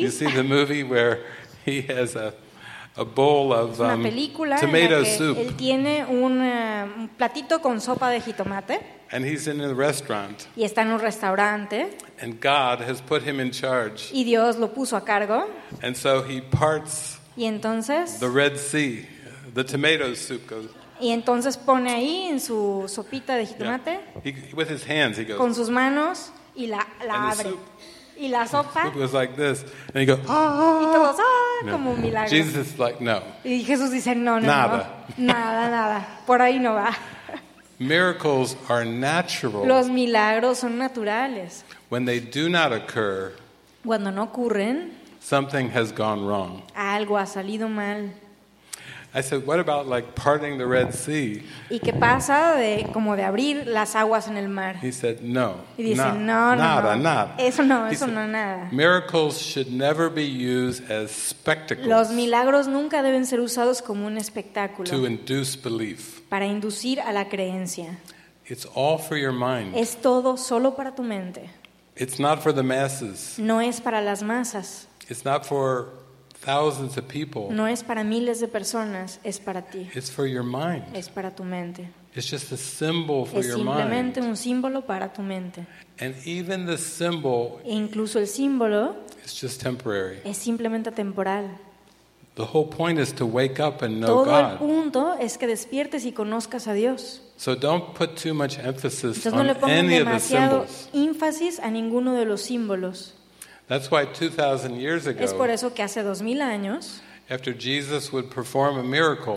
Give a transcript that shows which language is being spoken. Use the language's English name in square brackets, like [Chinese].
[English] You see the movie where he has a bowl of [Spanish] una película [English] tomato [Spanish] en la que [English] soup. [Spanish] Él tiene un platito con sopa de jitomate. [English] And he's in a restaurant. [Spanish] Y está en un restaurante. [English] And God has put him in charge. [Spanish] Y Dios lo puso a cargo. [English] And so he parts. [Spanish] Y entonces. [English] The Red Sea, the tomato soup goes. [Spanish] Y entonces pone ahí en su sopita de jitomate. [English] Yeah. He, with his hands, he goes. [Spanish] Con sus manos y la abre. [English] Soup, [Spanish] y la sopa. [English] It was like this, and he goes. Ah. [Spanish] Y todos ah, no. Como un milagro. [English] Jesus is like no. [Spanish] Y Jesús dice no, no, nada. No. Nada, nada. Por ahí no va. [English] Miracles are natural. [Spanish] Los milagros son naturales. [English] When they do not occur, [Spanish] cuando no ocurren, [English] something has gone wrong. [Spanish] Algo ha salido mal. [English] I said, what about like parting the Red Sea? [Spanish] ¿Y qué pasa de como de abrir las aguas en el mar? [English] He said, no. [Spanish] Y dice, nada. Eso no, eso no nada. [English] Miracles should never be used as spectacles. [Spanish] Los milagros nunca deben ser usados como un espectáculo. [English] To induce belief. [Spanish] Para inducir a la creencia. [English] It's all for your mind. [Spanish] Es todo solo para tu mente. [English] It's not for the masses. [Spanish] No es para las masas. [English] It's not for thousands of people. [Spanish] No es para miles de personas, es para ti. [English] It's for your mind. [Spanish] Es para tu mente. [English] It's just a symbol for your mind. [Spanish] Es simplemente un símbolo para tu mente. [English] And even the symbol, [Spanish] e incluso el símbolo, [English] it's just temporary. [Spanish] Es simplemente temporal. [English] The whole point is to wake up and know God. [Spanish] Todo el punto es que despiertes y conozcas a Dios. [English] So don't put too much emphasis [Spanish] entonces, [English] on [Spanish] no le pongas [English] any [Spanish] demasiado [English] of the symbols. [Spanish] Énfasis a ninguno de los símbolos. [English] That's why 2,000 years ago. [Spanish] Es por eso que hace 2,000 años. [English] After Jesus would perform a miracle,